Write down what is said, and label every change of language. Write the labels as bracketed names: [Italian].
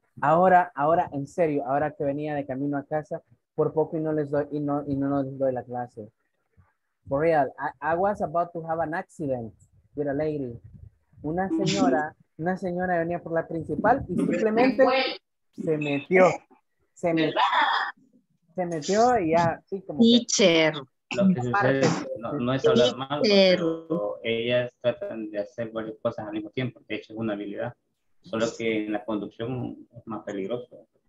[Spanish] Ahora, en serio, ahora que venía de camino a casa, por poco y no les doy la clase. [English] For real, I was about to have an accident with a lady. [Spanish] Una señora venía por la principal y simplemente se metió y ya, sí, como [English] teacher. [Spanish] Lo que sucede es, no es hablar mal, pero ellas tratan de hacer varias cosas al mismo tiempo, de hecho es una habilidad, solo que en la conducción es más peligroso.